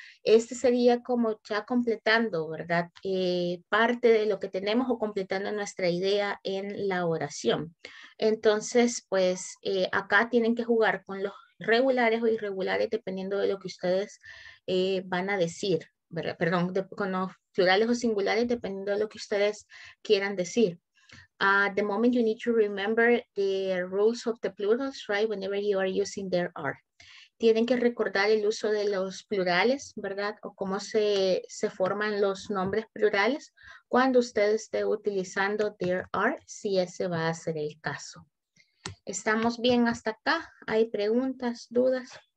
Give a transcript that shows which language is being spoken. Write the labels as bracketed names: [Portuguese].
[Spanish] Este sería como ya completando, ¿verdad? Parte de lo que tenemos o completando nuestra idea en la oración. Entonces, pues acá tienen que jugar con los regulares o irregulares dependiendo de lo que ustedes van a decir, ¿verdad? Perdón, de, con los plurales o singulares, dependiendo de lo que ustedes quieran decir. [English] The moment you need to remember the rules of the plurals, right? Whenever you are using there are. [Spanish] Tienen que recordar el uso de los plurales, ¿verdad? O cómo se forman los nombres plurales cuando usted esté utilizando there are, si ese va a ser el caso. ¿Estamos bien hasta acá? ¿Hay preguntas, dudas?